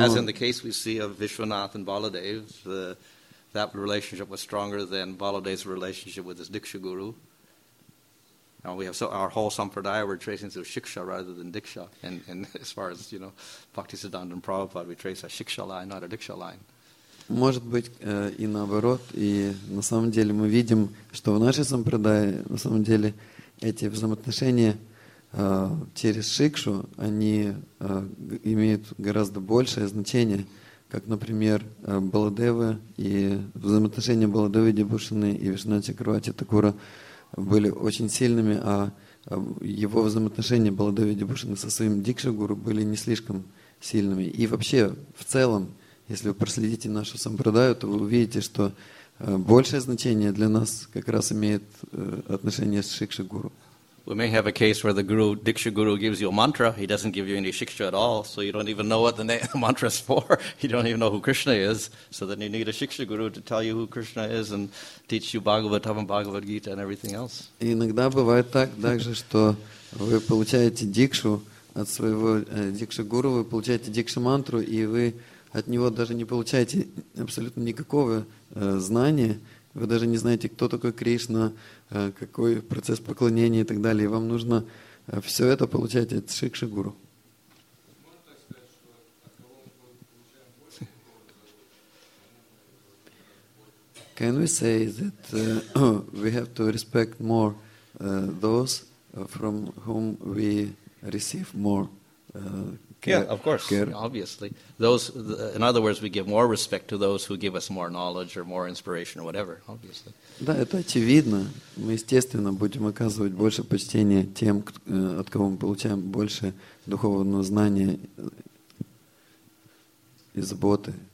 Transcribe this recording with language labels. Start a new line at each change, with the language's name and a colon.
English: As in the case we see of Vishwanath and Baladev, that relationship was stronger than Baladev's relationship with his Diksha Guru. Now we have so our whole sampradaya we're tracing through shiksha rather than diksha, and as far as you know, Bhaktisiddhanta and Prabhupada, we trace a shiksha line, not a diksha line.
Russian: Может быть и наоборот, и на самом деле мы видим, что в нашей сампрадае на самом деле эти взаимоотношения через шикшу они имеют гораздо большее значение, как, например, Баладева и взаимоотношения Баладевы Дибушины и Вишнат Чакравати Такура были очень сильными, а его взаимоотношения Баладеви Дибушины со своим дикшагуру были не слишком сильными. И вообще, в целом, если вы проследите нашу сампрадаю, то вы увидите, что большее значение для нас как раз имеет отношение с шикшагуру.
English: We may have a case where the guru, Diksha Guru, gives you a mantra. He doesn't give you any shiksha at all, so you don't even know what the mantra is for. You don't even know who Krishna is. So then you need a shiksha guru to tell you who Krishna is and teach you Bhagavatam and Bhagavad Gita and everything else.
Russian: Иногда бывает так также, что вы получаете дикшу от своего дикша гуру, вы получаете дикша мантру, и вы от него даже не получаете абсолютно никакого знания. Вы даже не знаете, кто такой Кришна, какой процесс поклонения и так далее. Вам нужно все это получать от Шикши Гуру.
English: Can we say that we have to respect more those from whom we receive more care? Yeah, of course, care. Obviously. In other words, we give more respect to those who give us more knowledge or more inspiration or whatever, obviously.
Russian: Да, это очевидно. Мы, естественно, будем оказывать больше почтения тем, от кого мы получаем больше духовного знания и заботы.